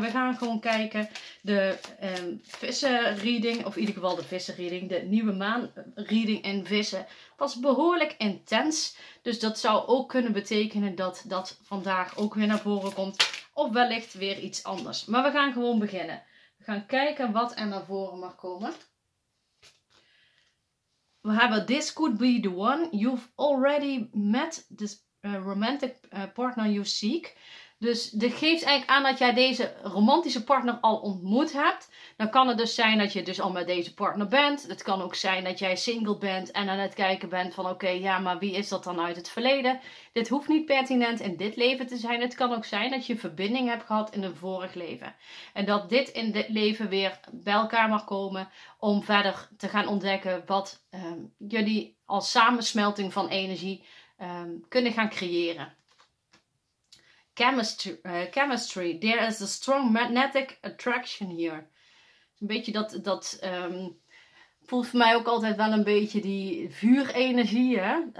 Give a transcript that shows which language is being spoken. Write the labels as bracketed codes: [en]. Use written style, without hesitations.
[nl] We gaan gewoon kijken. De vissen reading, of in ieder geval de vissen reading, de nieuwe maan reading in vissen, was behoorlijk intens. Dus dat zou ook kunnen betekenen dat dat vandaag ook weer naar voren komt. Of wellicht weer iets anders. Maar we gaan gewoon beginnen. We gaan kijken wat er naar voren mag komen. We hebben [en] this could be the one you've already met this romantic partner you seek. [nl] Dus dit geeft eigenlijk aan dat jij deze romantische partner al ontmoet hebt. Dan kan het dus zijn dat je dus al met deze partner bent. Het kan ook zijn dat jij single bent en aan het kijken bent van oké, maar wie is dat dan uit het verleden? Dit hoeft niet pertinent in dit leven te zijn. Het kan ook zijn dat je verbinding hebt gehad in een vorig leven. En dat dit in dit leven weer bij elkaar mag komen om verder te gaan ontdekken wat jullie als samensmelting van energie kunnen gaan creëren. [en] Chemistry. There is a strong magnetic attraction here. [nl] Een beetje dat voelt voor mij ook altijd wel een beetje die vuurenergie. Hè?